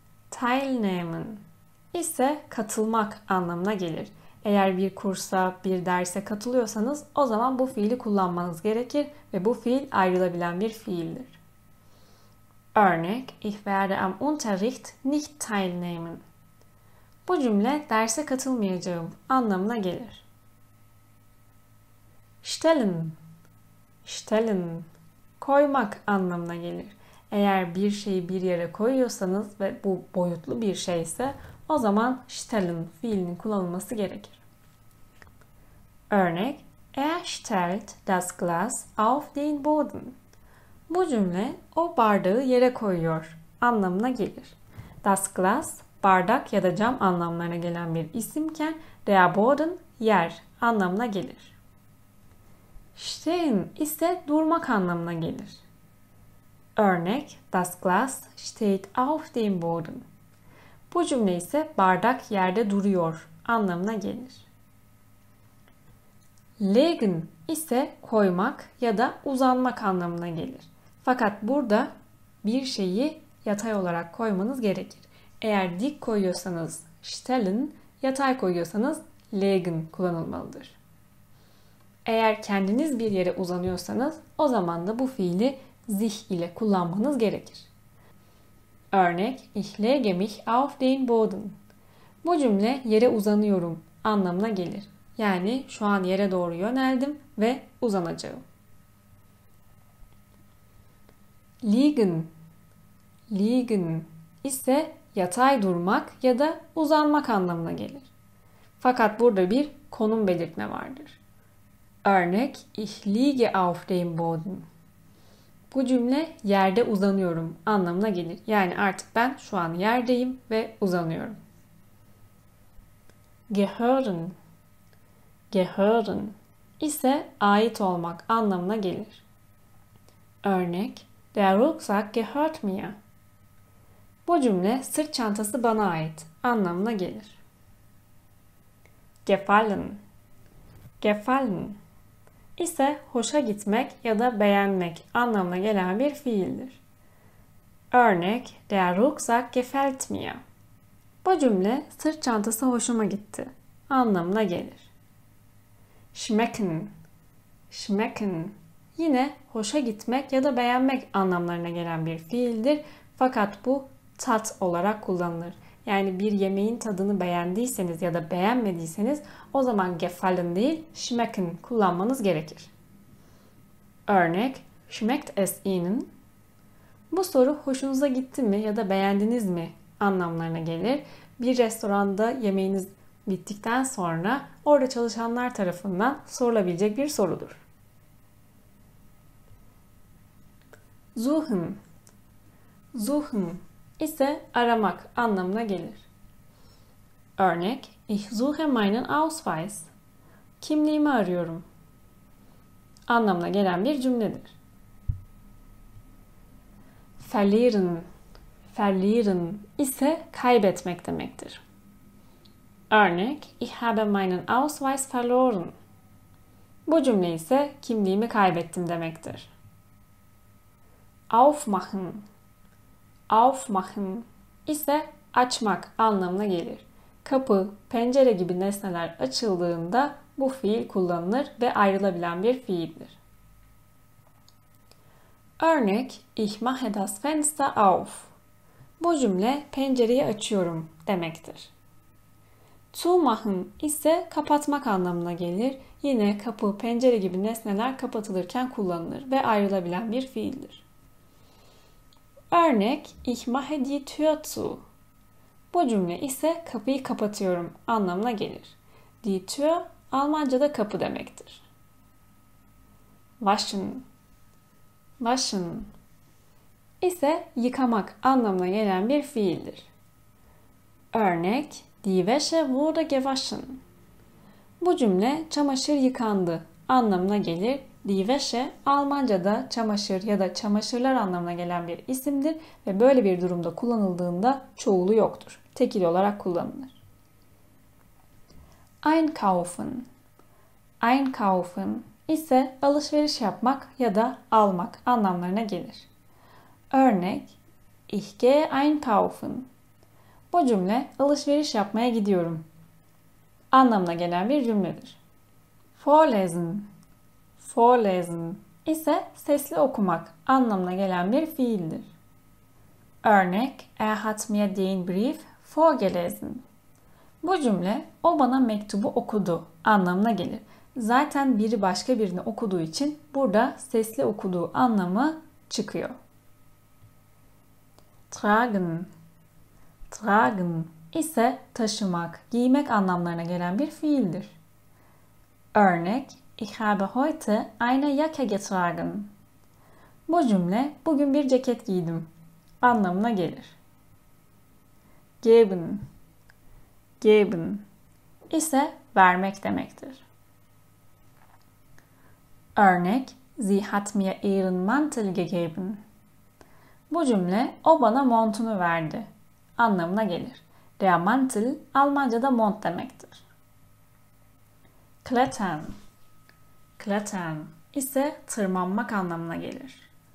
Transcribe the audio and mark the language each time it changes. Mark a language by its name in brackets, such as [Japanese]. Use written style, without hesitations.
[Turkish] Teilnehmen ise katılmak anlamına gelir. Eğer bir kursa, bir derse katılıyorsanız o zaman bu fiili kullanmanız gerekir ve bu fiil ayrılabilen bir fiildir. [German] Örnek: Ich werde am Unterricht nicht teilnehmen. [Turkish] Bu cümle derse katılmayacağım anlamına gelir. Stellen koymak anlamına gelir. Eğer bir şeyi bir yere koyuyorsanız ve bu boyutlu bir şeyse o zaman stellen fiilinin kullanılması gerekir. [German] Örnek: Er stellt das Glas auf den Boden. [Turkish] Bu cümle o bardağı yere koyuyor anlamına gelir. Das Glas bardak ya da cam anlamlarına gelen bir isimken der Boden yer anlamına gelir. Stehen ise durmak anlamına gelir. [German] Örnek: Das Glas steht auf dem Boden. [Turkish] Bu cümle ise bardak yerde duruyor anlamına gelir. Legen ise koymak ya da uzanmak anlamına gelir. Fakat burada bir şeyi yatay olarak koymanız gerekir. Eğer dik koyuyorsanız stellen, yatay koyuyorsanız legen kullanılmalıdır. Eğer kendiniz bir yere uzanıyorsanız o zaman da bu fiili sich ile kullanmanız gerekir. [German] Örnek: Ich lege mich auf den Boden. [Turkish] Bu cümle yere uzanıyorum anlamına gelir. Yani şu an yere doğru yöneldim ve uzanacağım. Liegen ise yatay durmak ya da uzanmak anlamına gelir. Fakat burada bir konum belirtme vardır. [German] Örnek: Ich liege auf dem Boden. [Turkish] Bu cümle yerde uzanıyorum anlamına gelir. Yani artık ben şu an yerdeyim ve uzanıyorum. Gehören ise ait olmak anlamına gelir. [German] Örnek: Der Rucksack gehört mir. [Turkish] Bu cümle sırt çantası bana ait anlamına gelir. Gefallen ise hoşa gitmek ya da beğenmek anlamına gelen bir fiildir. [German] Örnek: Der Rucksack gefällt mir. [Turkish] Bu cümle sırt çantası hoşuma gitti anlamına gelir. Schmecken yine hoşa gitmek ya da beğenmek anlamlarına gelen bir fiildir. Fakat bu tat olarak kullanılır. Yani bir yemeğin tadını beğendiyseniz ya da beğenmediyseniz o zaman gefallen değil, schmecken kullanmanız gerekir. [German] Örnek: Schmeckt es Ihnen? [Turkish] Bu soru hoşunuza gitti mi ya da beğendiniz mi anlamlarına gelir. Bir restoranda yemeğiniz bittikten sonra orada çalışanlar tarafından sorulabilecek bir sorudur. Suchen ise aramak anlamına gelir. [German] Örnek: Ich suche meinen Ausweis. [Turkish] Kimliğimi arıyorum anlamına gelen bir cümledir. Verlieren ise kaybetmek demektir. [German] Örnek: Ich habe meinen Ausweis verloren. [Turkish] Bu cümle ise kimliğimi kaybettim demektir. Aufmachen ise açmak anlamına gelir. Kapı, pencere gibi nesneler açıldığında bu fiil kullanılır ve ayrılabilen bir fiildir. [German] Örnek: Ich mache das Fenster auf. [Turkish] Bu cümle pencereyi açıyorum demektir. Zumachen ise kapatmak anlamına gelir. Yine kapı, pencere gibi nesneler kapatılırken kullanılır ve ayrılabilen bir fiildir. [German] Örnek: Ich mache die Tür zu. [Turkish] Bu cümle ise kapıyı kapatıyorum anlamına gelir. Die Tür Almanca'da kapı demektir. Waschen ise yıkamak anlamına gelen bir fiildir. [German] Örnek: Die Wäsche wurde gewaschen. [Turkish] Bu cümle çamaşır yıkandı anlamına gelir. Die Wäsche Almanca'da çamaşır ya da çamaşırlar anlamına gelen bir isimdir ve böyle bir durumda kullanıldığında çoğulu yoktur. Tekil olarak kullanılır. Einkaufen. Einkaufen ise alışveriş yapmak ya da almak anlamlarına gelir. [German] Örnek: Ich gehe einkaufen. [Turkish] Bu cümle alışveriş yapmaya gidiyorum anlamına gelen bir cümledir. Vorlesen. Vorlesen ise sesli okumak anlamına gelen bir fiildir. [German] Örnek: Er hat mir den Brief vorgelesen. [Turkish] Bu cümle o bana mektubu okudu anlamına gelir. Zaten biri başka birini okuduğu için burada sesli okuduğu anlamı çıkıyor. Tragen. Tragen ise taşımak, giymek anlamlarına gelen bir fiildir. [German] Örnek: Ich habe heute eine Jacke getragen. [Turkish] Bu cümle bugün bir ceket giydim anlamına gelir. Geben. Geben ise vermek demektir. [German] Örnek: Sie hat mir ihren Mantel gegeben. [Turkish] Bu cümle o bana montunu verdi anlamına gelir. Der Mantel Almanca'da mont demektir. Klettern. Klettern ise tırmanmak anlamına gelir.